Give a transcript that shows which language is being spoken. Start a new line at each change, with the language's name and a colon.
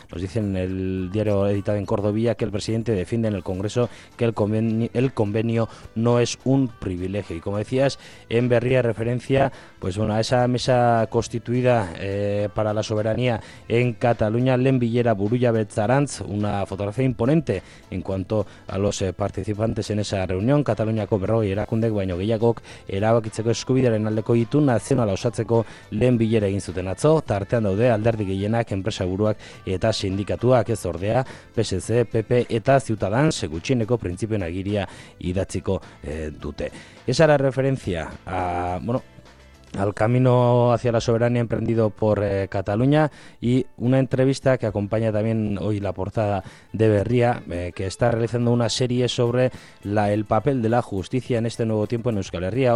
Spanish: Nos dicen en el diario editado en Cordovilla que el presidente defiende en el Congreso que el convenio no es un privilegio. Y como decías, en Berría, referencia, pues bueno, a esa mesa constituida para la soberanía en Cataluña,
Basque: Lenbilera Burulla Betzarantz,
Spanish: una fotografía imponente en cuanto a los participantes en esa reunión.
Basque: Cataluña Berroi Erakunde baino gehiagok erabakitzeko eskubidearen aldeko itun nazionala osatzeko lehen bilera egin zuten atzo, tartean daude alderdi gehienak, enpresa buruak eta sindikatuak, ez ordea PSC, PP eta Ciutadans, gutxieneko printzipioen agiria idatziko dute.
Spanish: Esa era referencia a, bueno, al camino hacia la soberanía emprendido por Cataluña, y una entrevista que acompaña también hoy la portada de Berria, que está realizando una serie sobre el papel de la justicia en este nuevo tiempo en Euskal Herria.